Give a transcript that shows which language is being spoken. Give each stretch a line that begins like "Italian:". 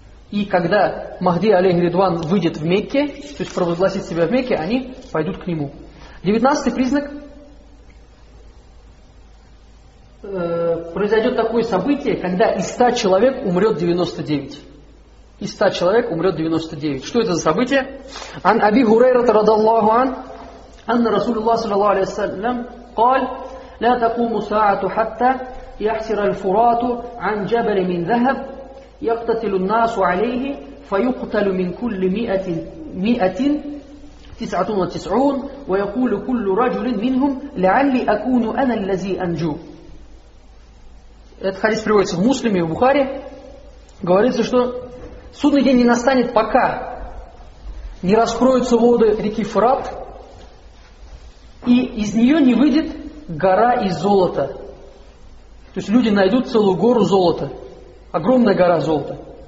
Russian: И когда Махди Алиридван выйдет в Мекке, то есть провозгласит себя в Мекке, они пойдут к нему. 19 признак. Произойдет такое событие, когда из 100 человек умрет 99. Из 100 человек умрет 99. Что это за событие?
Arabic: Ан Аби Хурайра радиаллаху ан, анна Расулуллах саллаллаху алейхи ва саллям قال: لا تقوم ساعة حتى يحسر الفرات عن جبل من ذهب يقتتل الناس عليه فيقتل من كل 100 99 ويقول كل رجل منهم لعلي أكون أنا الذي أنجو.
Russian: Этот хадис приводится в Муслиме, в Бухаре. Говорится, что судный день не настанет, пока не раскроются воды реки Фрат, и из нее не выйдет гора из золота. То есть люди найдут целую гору золота. Огромная гора золота.